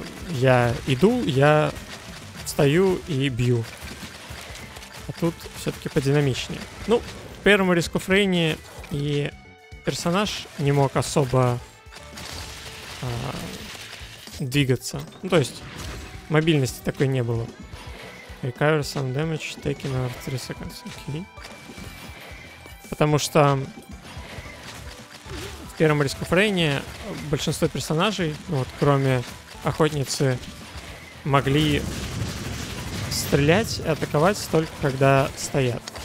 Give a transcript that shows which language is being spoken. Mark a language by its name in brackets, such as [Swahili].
[Russian] Я иду, я встаю и бью. А тут все-таки подинамичнее. Ну, в первом Risk of Rain и персонаж не мог особо двигаться. Ну, то есть, мобильности такой не было. [English] Recover some damage taken over 3 seconds. Okay. [Russian] Потому что в первом Risk of Rain большинство персонажей, ну вот кроме охотницы, могли стрелять и атаковать только когда стоят.